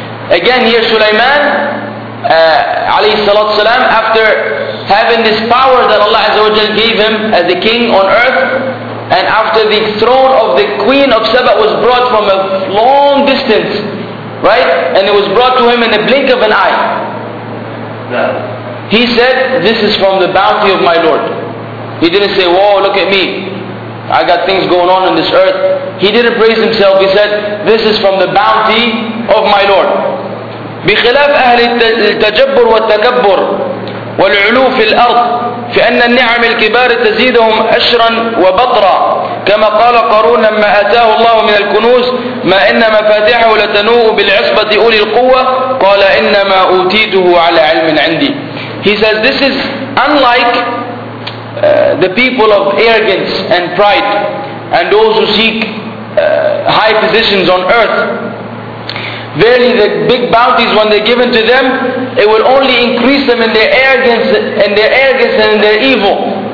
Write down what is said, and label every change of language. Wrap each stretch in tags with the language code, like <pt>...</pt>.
<en>Again, here Sulaiman alayhi salatu wasalam, after having this power that Allah Azza wa Jal gave him as a king on earth, and after the throne of the queen of Saba was brought from a long distance, right, and it was brought to him in the blink of an eye, he said, this is from the bounty of my Lord. He didn't say, whoa, look at me, I got things going on this earth. He didn't praise himself. He said, this is from the bounty of my Lord.</en> <ar>بخلاف أهل التجبر والتكبر والعلو في الأرض فإن النعم الكبار تزيدهم أشرا وبطرا كما قال قارون لما أتاه الله من الكنوز ما إن مفاتيحه لتنوء بالعصبة أولي القوة قال إنما أوتيته على علم عندي.</ar> <en>He says, this is unlike the people of arrogance and pride and those who seek high positions on earth. Verily, the big bounties, when they're given to them, it will only increase them in their arrogance and in their evil.</en>